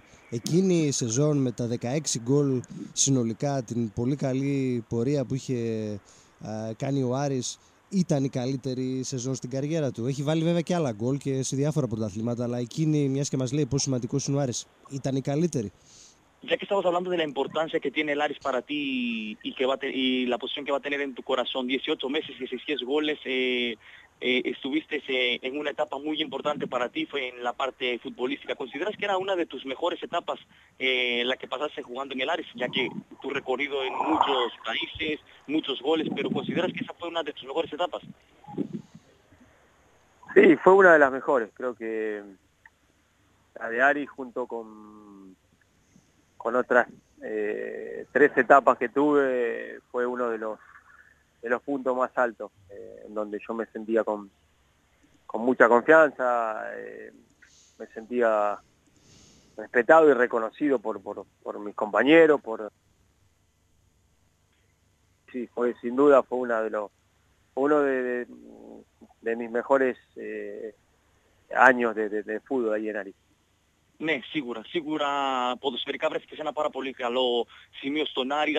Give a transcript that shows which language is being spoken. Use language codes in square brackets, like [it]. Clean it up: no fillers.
[el] Εκείνη η σεζόν με τα 16 γκολ συνολικά, την πολύ καλή πορεία που είχε κάνει ο Άρης, ήταν η καλύτερη σεζόν στην καριέρα του. Έχει βάλει βέβαια και άλλα γκολ και σε διάφορα πρωταθλήματα, αλλά εκείνη, μιας και μας λέει πόσο σημαντικός είναι ο Άρης, ήταν η καλύτερη. [es] Ya que estamos hablando de la importancia que tiene el Aris para ti y, que va a y la posición que va a tener en tu corazón, 18 meses, 16 goles, estuviste en una etapa muy importante para ti, fue en la parte futbolística. ¿Consideras que era una de tus mejores etapas la que pasaste jugando en el Aris? Ya que tu recorrido en muchos países, muchos goles, pero ¿consideras que esa fue una de tus mejores etapas? Sí, fue una de las mejores. Creo que la de Aris junto con... con otras tres etapas que tuve, fue uno de los puntos más altos, en donde yo me sentía con mucha confianza, me sentía respetado y reconocido por mis compañeros, por sí, fue sin duda fue una de los uno de mis mejores años de fútbol ahí en Aris. [el] Ναι, σίγουρα. Σίγουρα ποδοσφαιρικά βρέθηκε σε ένα πάρα πολύ καλό σημείο στον Άρη.